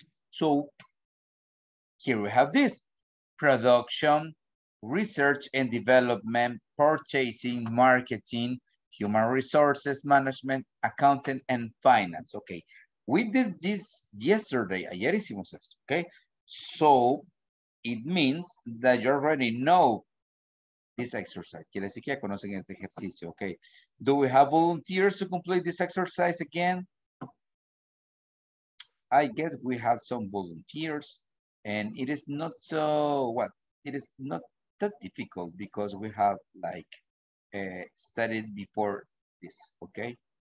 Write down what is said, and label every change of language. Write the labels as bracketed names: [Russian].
[English] So here we have this, production, research and development, purchasing, marketing, human resources, management, accounting and finance, okay? We did this yesterday, [Spanish] ayer hicimos esto, [English] okay? So it means that you already know this exercise. [Spanish] Quiere decir que ya conocen este ejercicio, okay? [English] Do we have volunteers to complete this exercise again? I guess we have some volunteers and it is not so, what? It is not that difficult because we have like studied before this, okay?